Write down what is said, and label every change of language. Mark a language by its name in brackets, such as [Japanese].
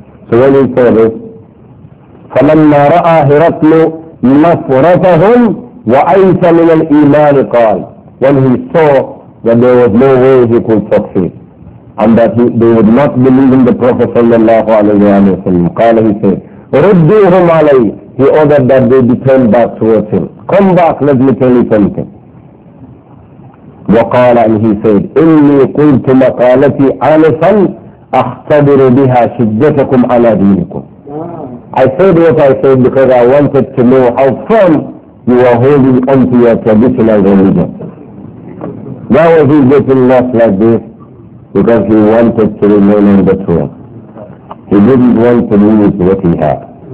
[English] So when he saw this, فَلَمَّا رَأَى هِرَقْلُ نَفْرَتَهُمْ وَأَيْسَ مِنَ الْإِيمَانِ قَالْ, when he saw that there was no way he could succeed, and that they would not believe in the Prophet sallallahu alayhi wa sallam, قَالَ, he said, رُدُّهُمْ عَلَيْهِ, he ordered that they be turned back towards him. Come back, let me tell you something. [Arabic] وَقَالَ, and he said, إِنِّي قُلْتُ مَقَالَتِي آنِفًا أَخْتَبِرُ بِهَا شِدَّتَكُمْ عَلَى دِينِكُمْ. [English] I said what I said because I wanted to know how firm you are holding on to your traditional religion. Now if he's getting lost like this, because he wanted to remain in the tomb. He didn't want to lose what he had.